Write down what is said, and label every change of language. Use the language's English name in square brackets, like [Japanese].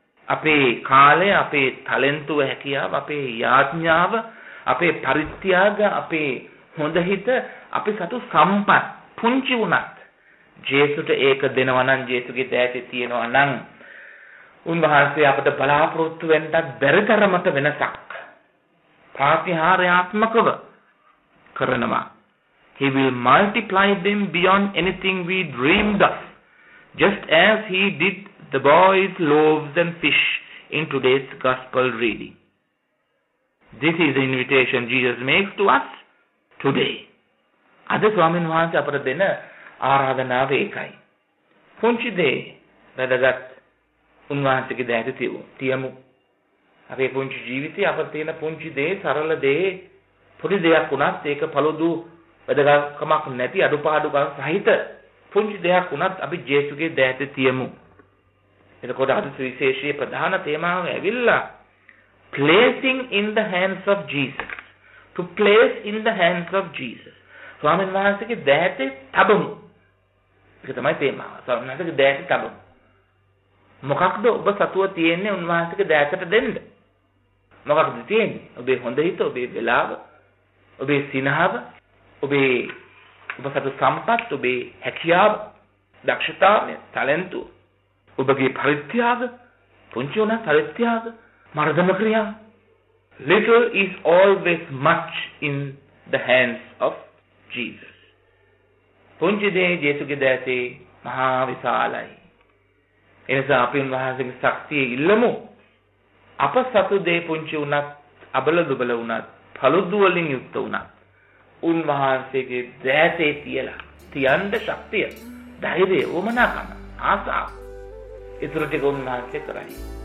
[Sinhala] අපේ කාලය, අපේ තලෙන්තුව හැකියාව, අපේ යාඥාව, අපේ පරිත්‍යාග, අපේ හොඳ හිත, අපි සතු සම්පත් පුංචි වුණත් ජේසුට ඒක දෙනවා නම්, ජේසුගේ දෑතේ තියෙනවා නම්, උන්වහන්සේ අපට බලාපොරොත්තු වෙන්නත් බැරි තරමට වෙනසක් ප්‍රතිහාරාත්මකව කරනවා. [English] He will multiply them beyond anything we dreamed of, just as he did the boys, loaves and fish in today's gospel reading. This is the invitation Jesus makes to us today. [Sinhala] අද ස්වාමීන් වහන්සේ අපට දෙන ආරාධනාව ඒකයි. පුංචි දේ වැඩගත් උන්වහන්සේගේ දෑත තියමු. අපේ පුංචි ජීවිතේ අපට තියෙන පුංචි දේ, සරල දේ, පොඩි දෙයක් වුණත් ඒක පළදු වැඩගත්කමක් නැති අඩුපාඩුකම් සහිත පුංචි දෙයක් වුණත් අපි ජේසුගේ දෑත තියමු. එතකොට අද සුවිශේෂී ප්‍රධාන තේමාව ඇවිල්ලා [English] placing in the hands of Jesus, to place in the hands of Jesus. [Sinhala] ස්වාමීන් වහන්සේගේ දෑතේ තබමු. ඒක තමයි තේමාව. ස්වාමීන් වහන්සේගේ දෑතේ තබමු. මොකක්ද ඔබ සතුව තියෙන්නේ උන්වහන්සේගේ දෑතට දෙන්න? මොකක්ද තියෙන්නේ? ඔබේ හොඳ හිත, ඔබේ වෙලාව, ඔබේ සිනහව, ඔබේ ඔබ සතු සම්පත්, ඔබේ හැකියාව, දක්ෂතාවය, talent, ඔබගේ පරිත්‍යාග, පුංචි වුණා පරිත්‍යාග, මර්ධන ක්‍රියා. [English] Little is always much in the hands of Jesus. [Sinhala] පුංචි දේ ජේසුගේ දෑතේ මහා විශාලයි. එනිසා අපි උන්වහන්සේගේ ශක්තිය ඉල්ලමු. අප සතු දේ පුංචි වුණත්, අබල දුබල වුණත්, පළුදු වලින් යුක්ත වුණත්, උන්වහන්සේගේ දෑතේ තියලා තියන්න ශක්තිය, ධෛර්යය, උමනාකම, ආසාව ඉතුරුටි ගොන්නාක්ෂ කරයි.